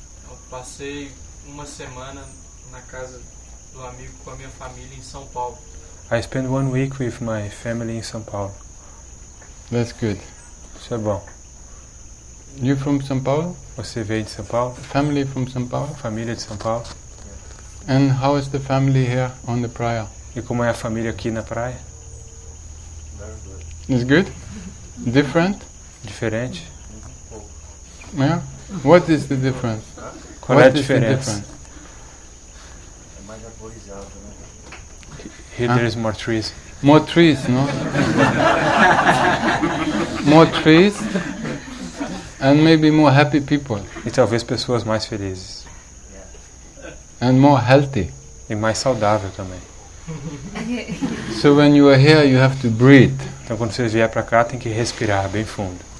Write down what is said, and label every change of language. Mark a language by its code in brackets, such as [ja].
[pt] Eu passei uma semana na casa do amigo com a minha família em São Paulo. [en] I spent 1 week with my family in São Paulo. That's good. [pt] Isso é bom. [en] You from São Paulo? [pt] Você veio de São Paulo? [en] Family from São Paulo? [pt] Família de São Paulo. [en] And how is the family here on the praia? [pt] E como é a família aqui na praia? [en] Very good. It's good? Different? [pt] Diferente? [en] Yeah? What is the difference? [pt] Qual [en] what [pt] é a diferença? É mais arborizado, né? [en] Here there is more trees. More trees, no? More trees? And maybe more happy people. [pt] E talvez pessoas mais felizes. [en] Yeah. And more healthy. [pt] E mais saudável também. [en] So when you are here, you have to breathe. [pt] Então quando vocês vier para cá, tem que respirar bem fundo.